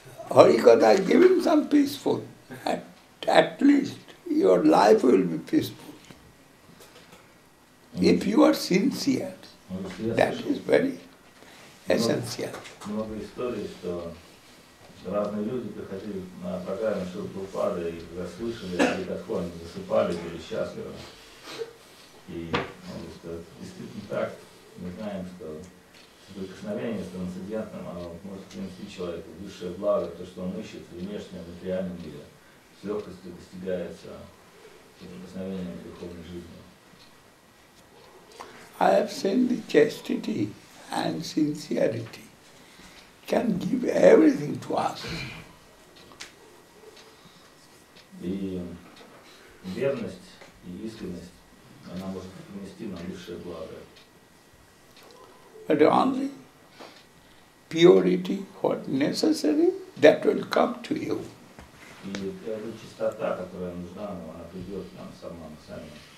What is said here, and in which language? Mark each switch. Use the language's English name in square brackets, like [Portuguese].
[English] Harikatha is giving some peaceful. At least your life will be peaceful. If you are sincere, that is very essential. [Russian] Разные люди приходили на программу Шрилы Рупы Госвами и когда слышали, они как они засыпали, были счастливы. И он говорит, что это действительно так. Мы знаем, что прикосновение с трансцендентным, оно может принести человеку высшее благо, то, что он ищет в внешнем, в реальном мире, с легкостью достигается прикосновением духовной жизни. [English] I have seen the chastity and sincerity can give everything to us. [Russian] И верность и искренность, она может принести нам высшее благо. [English] But only purity, what necessary, that will come to you. [Russian] И эта чистота, которая нужна, она придет нам сама, сами.